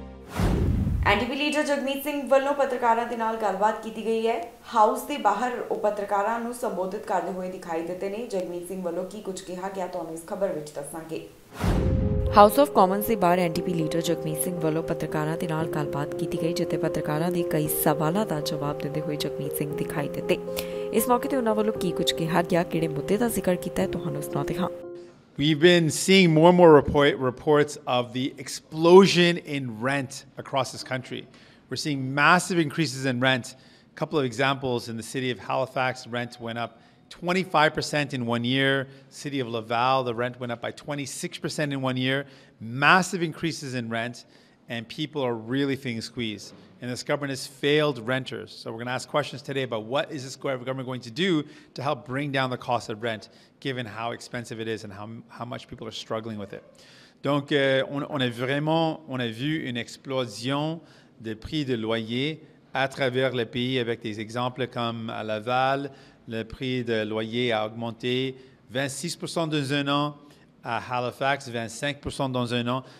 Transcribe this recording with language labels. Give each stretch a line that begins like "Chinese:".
Punjabi: NDP leader Jagmeet Singh ਵੱਲੋਂ ਪੱਤਰਕਾਰਾਂ ਦੇ ਨਾਲ ਗੱਲਬਾਤ ਕੀਤੀ ਗਈ ਹੈ ਹਾਊਸ ਦੇ ਬਾਹਰ ਉਹ ਪੱਤਰਕਾਰਾਂ ਨੂੰ ਸੰਬੋਧਿਤ ਕਰਦੇ ਹੋਏ ਦਿਖਾਈ ਦਿੱਤੇ ਨੇ ਜਗਮੀਤ ਸਿੰਘ ਵੱਲੋਂ ਕੀ ਕੁਝ ਕਿਹਾ ਗਿਆ ਤੁਹਾਨੂੰ ਇਸ ਖਬਰ ਵਿੱਚ ਦੱਸਾਂਗੇ ਹਾਊਸ ਆਫ ਕਾਮਨਸ ਦੇ ਬਾਹਰ ਐਨਡੀਪੀ ਲੀਡਰ ਜਗਮੀਤ ਸਿੰਘ ਵੱਲੋਂ ਪੱਤਰਕਾਰਾਂ ਦੇ ਨਾਲ ਗੱਲਬਾਤ ਕੀਤੀ ਗਈ ਜਿੱਥੇ ਪੱਤਰਕਾਰਾਂ ਦੇ ਕਈ ਸਵਾਲਾਂ ਦਾ ਜਵਾਬ ਦਿੰਦੇ ਹੋਏ ਜਗਮੀਤ ਸਿੰਘ ਦਿਖਾਈ ਦਿੱਤੇ ਇਸ ਮੌਕੇ ਤੇ ਉਹਨਾਂ ਵੱਲੋਂ ਕੀ ਕੁਝ ਕਿਹਾ ਗਿਆ ਕਿਹੜੇ ਮੁੱਦੇ ਦਾ ਜ਼ਿਕਰ ਕੀਤਾ ਤੁਹਾਨੂੰ ਸੁਣਾਉਂਦੇ ਹਾਂ
English: We've been seeing more and more reports of the explosion in rent across this country. We're seeing massive increases in rent. A couple of examples in the city of Halifax, rent went up 25% in 1 year. City of Laval, the rent went up by 26% in 1 year. Massive increases in rent, and people are really feeling squeezed. And this government has failed renters. So we're going to ask questions today about what is this government going to do to help bring down the cost of rent, given how expensive it is and how much people are struggling with it.
French: Donc, on a vu une explosion des prix de loyer à travers le pays, avec des exemples comme à Laval, le prix de loyer a augmenté 26% dans un an, à Halifax, 25% dans un an.